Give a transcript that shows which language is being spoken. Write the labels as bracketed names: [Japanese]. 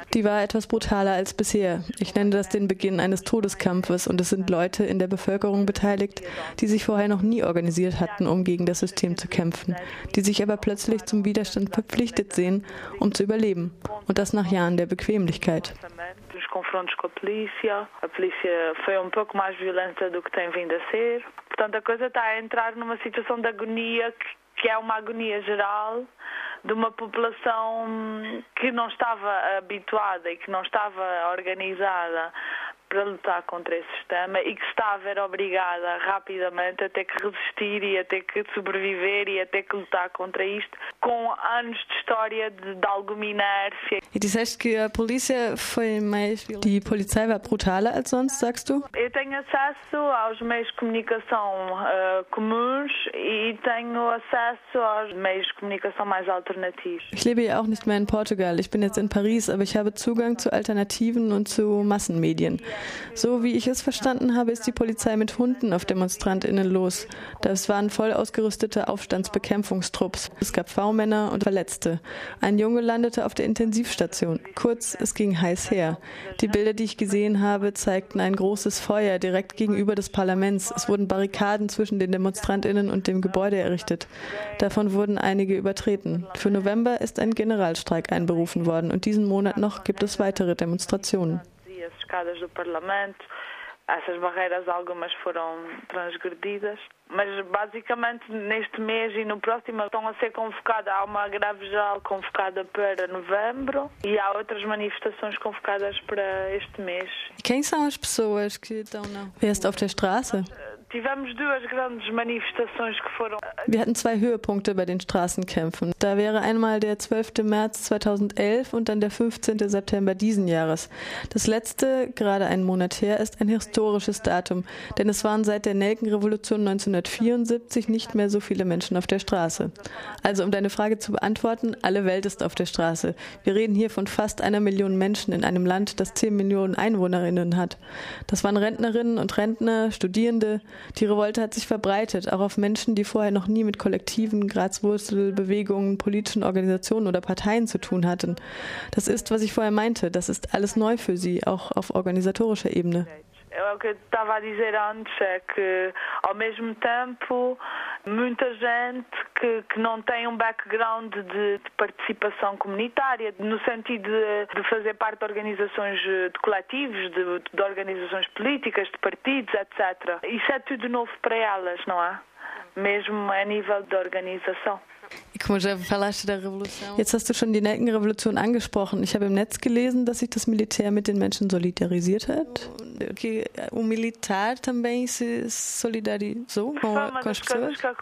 [German] Die war etwas brutaler als bisher. Ich nenne das den Beginn eines Todeskampfes und es sind Leute in der Bevölkerung beteiligt, die sich vorher noch nie organisiert hatten, um gegen das System zu kämpfen, die sich aber plötzlich zum Widerstand verpflichtet sehen, um zu überleben. Und das nach Jahren der Bequemlichkeit. [Portuguese] Confrontos com a polícia. A polícia foi um pouco mais violenta do que tem vindo a ser. Portanto, a coisa está a entrar numa situação de agonia que é uma agonia geral de uma população que não estava habituada e que não estava organizada para lutar contra esse sistema e que está a ver obrigada rapidamente a ter que resistir e a ter que sobreviver e a ter que lutar contra isto com anos de história de alguma inércia. E disseste que a polícia foi mais... [German] Die Polizei war brutaler als sonst, sagst du? [Portuguese] Eu tenho acesso aos meios de comunicação comuns e tenho acesso aos meios de comunicação mais alternativos. [German] Ich lebe ja auch nicht mehr in Portugal. Ich bin jetzt in Paris, aber ich habe Zugang zu Alternativen und zu Massenmedien. So wie ich es verstanden habe, ist die Polizei mit Hunden auf DemonstrantInnen los. Das waren voll ausgerüstete Aufstandsbekämpfungstrupps. Es gab V-Männer und Verletzte. Ein Junge landete auf der Intensivstation. Kurz, es ging heiß her. Die Bilder, die ich gesehen habe, zeigten ein großes Feuer direkt gegenüber des Parlaments. Es wurden Barrikaden zwischen den DemonstrantInnen und dem Gebäude errichtet. Davon wurden einige übertreten. Für November ist ein Generalstreik einberufen worden und diesen Monat noch gibt es weitere Demonstrationen. [Portuguese] Escadas do Parlamento, essas barreiras algumas foram transgredidas, mas basicamente neste mês e no próximo estão a ser convocadas, há uma greve geral convocada para novembro e há outras manifestações convocadas para este mês. Quem são as pessoas que estão na rua? Tivemos duas grandes manifestações que foram... [German] Wir hatten 2 Höhepunkte bei den Straßenkämpfen. Da wäre einmal der 12. März 2011 und dann der 15. September diesen Jahres. Das letzte, gerade einen Monat her, ist ein historisches Datum, denn es waren seit der Nelkenrevolution 1974 nicht mehr so viele Menschen auf der Straße. Also um deine Frage zu beantworten, alle Welt ist auf der Straße. Wir reden hier von fast 1 Million Menschen in einem Land, das 10 Millionen Einwohnerinnen hat. Das waren Rentnerinnen und Rentner, Studierende. Die Revolte hat sich verbreitet, auch auf Menschen, die vorher noch nie mit Kollektiven, Graswurzelbewegungen, politischen Organisationen oder Parteien zu tun hatten. Das ist, was ich vorher meinte, das ist alles neu für sie, auch auf organisatorischer Ebene. [Portuguese] O que eu estava a dizer antes é que, ao mesmo tempo, muita gente que não tem background de participação comunitária, no sentido de fazer parte de organizações de coletivos, de organizações políticas, de partidos, etc. Isso é tudo novo para elas, não é? Mesmo a nível de organização. [German] Jetzt hast du schon die Nelkenrevolution angesprochen. Ich habe im Netz gelesen, dass sich das Militär mit den Menschen solidarisiert hat. [Portuguese] que o militar também se solidarizou com as pessoas.